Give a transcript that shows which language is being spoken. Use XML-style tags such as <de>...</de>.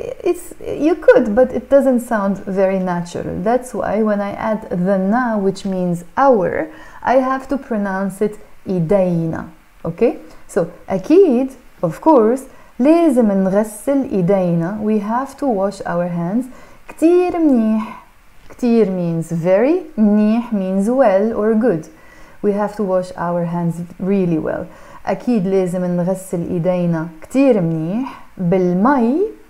<en>It's, you could, but it doesn't sound very natural. That's why when I add the نا, which means our, I have to pronounce it إيدينا. Okay?</en> <ar>So, أكيد,</ar> <en>of course,</en> <ar>لازم نغسل إيدينا.</ar> <en>We have to wash our hands.</en> <ar>كتير منيح.</ar> <en>كتير means very. منيح means well or good. We have to wash our hands really well.</en> <ar>أكيد لازم نغسل إيدينا كتير منيح بالمي.</ar>